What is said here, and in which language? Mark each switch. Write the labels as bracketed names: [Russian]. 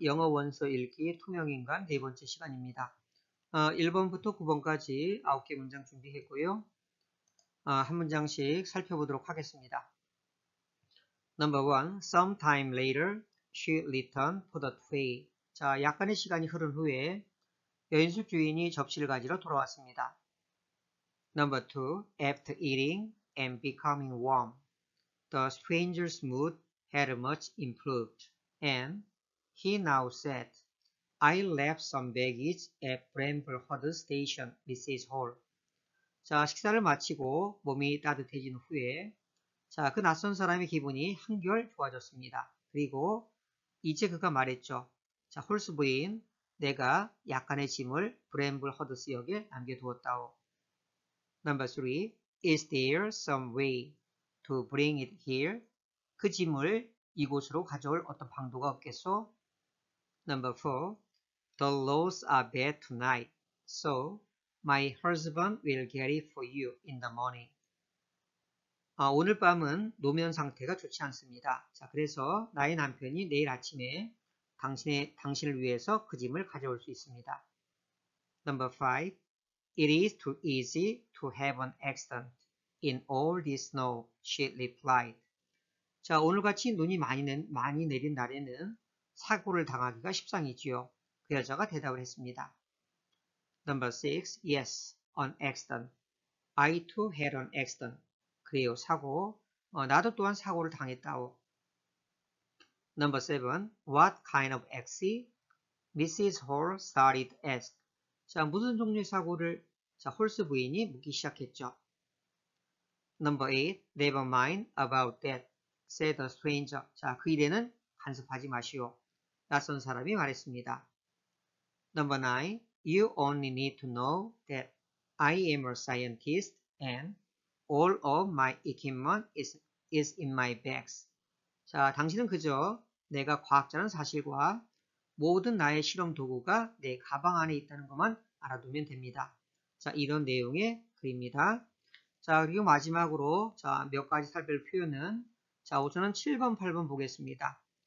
[Korean] 영어 원서 읽기 투명인간 네 번째 시간입니다. 아, 1번부터 9번까지 9개 문장 준비했고요. 아, 한 문장씩 살펴보도록 하겠습니다. [English] Number one, sometime later, she returned for the tray. [Korean] 자, 약간의 시간이 흐른 후에 여인숙 주인이 접시를 가지러 돌아왔습니다. [English] Number two, after eating and becoming warm, the stranger's mood had much improved, and he now said, I left some baggage at Brambleford Station, Mrs. Hall. [Korean] 자, 식사를 마치고 몸이 따뜻해진 후에, 자, 그 낯선 사람의 기분이 한결 좋아졌습니다. 그리고 이제 그가 말했죠. 자, 홀스 부인, 내가 약간의 짐을 브램블허드스역에 남겨두었다오. [English] Number three, is there some way to bring it here? [Korean] 그 짐을 이곳으로 가져올 어떤 방도가 없겠소? [English] Number four, the roads are bad tonight, so my husband will get it for you in the morning. [Korean] 아, 오늘 밤은 노면 상태가 좋지 않습니다. 자, 그래서 나의 남편이 내일 아침에 당신을 위해서 그 짐을 가져올 수 있습니다. [English] Number five, it is too easy to have an accident in all this snow, she replied. [Korean] 자, 오늘같이 눈이 많이 내린 날에는 사고를 당하기가 십상이지요. 그 여자가 대답을 했습니다. [English] Number six, yes, an accident. I too had an accident. [Korean] 그래요, 사고. 나도 또한 사고를 당했다오. [English] Number seven, what kind of accident? Mrs. Hall started to ask. [Korean] 자, 무슨 종류의 사고를? 자, 홀스 부인이 묻기 시작했죠. [English] Number eight, never mind about that. said the stranger. [Korean] 자, 그 일에는 간섭하지 마시오. 낯선 사람이 말했습니다. [English] Number nine, you only need to know that I am a scientist and all of my equipment is in my bags. [Korean] 자, 당신은 그저 내가 과학자라는 사실과 모든 나의 실험 도구가 내 가방 안에 있다는 것만 알아두면 됩니다. 자, 이런 내용의 글입니다. 자, 그리고 마지막으로 자, 몇 가지 살펴볼 표현은 자, 우선은 7번, 8번 보겠습니다.